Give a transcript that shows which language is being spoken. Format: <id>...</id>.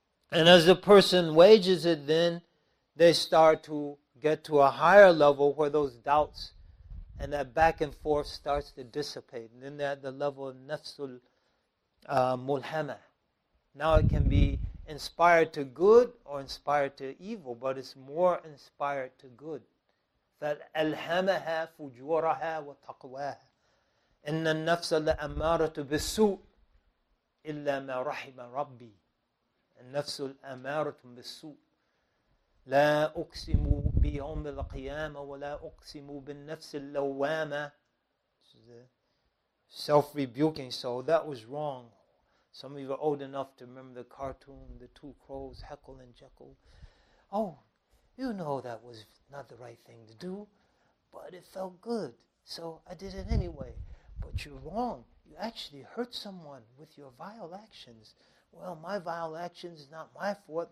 <en>And as the person wages it, then they start to get to a higher level where those doubts and that back and forth starts to dissipate. And then they're at the level of nafsul mulhama. Now it can be inspired to good or inspired to evil, but it's more inspired to good.</en> <ar>فَالْأَلْهَمَهَا فُجُورَهَا وَتَقْوَاهَا إِنَّ النَّفْسَ لَأَمَّارَةُ بِالسُّوءِ إِلَّا مَا رَحِمَ رَبِّي النَّفْسُ الْأَمَّارَةُ بِالسُّوءِ لَا أُقْسِمُ بِيَوْمِ الْقِيَامَةِ وَلَا أُقْسِمُ بِالنَّفْسِ اللَّوَّامَةِ</ar> <en>Self-rebuking, so that was wrong. Some of you are old enough to remember the cartoon, the two crows, Heckle and Jekyll. Oh, you know that was not the right thing to do, but it felt good, so I did it anyway. But you're wrong. You actually hurt someone with your vile actions. Well, my vile actions is not my fault.</en>